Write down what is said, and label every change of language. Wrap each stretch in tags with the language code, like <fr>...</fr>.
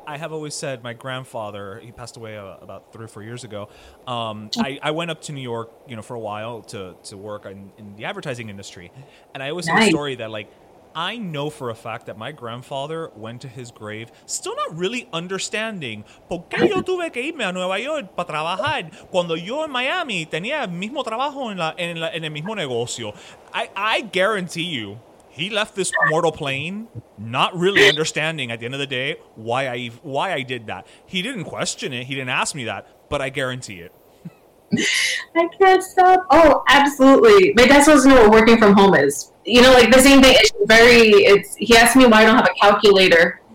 <en>I have always said my grandfather, he passed away about 3 or 4 years ago. I went up to New York, you know, for a while to work in the advertising industry. And I always tell a story that, like, I know for a fact that my grandfather went to his grave still not really understanding.</en> <es>¿Por qué yo tuve que irme a Nueva York para trabajar cuando yo en Miami tenía el mismo trabajo en el mismo negocio?</es> <en>I guarantee you, he left this mortal plane not really understanding at the end of the day why I did that. He didn't question it. He didn't ask me that, but I guarantee it. I can't stop. Oh, absolutely. My dad doesn't know what working from home is. You know, like the same thing. He asked me why I don't have a calculator.</en>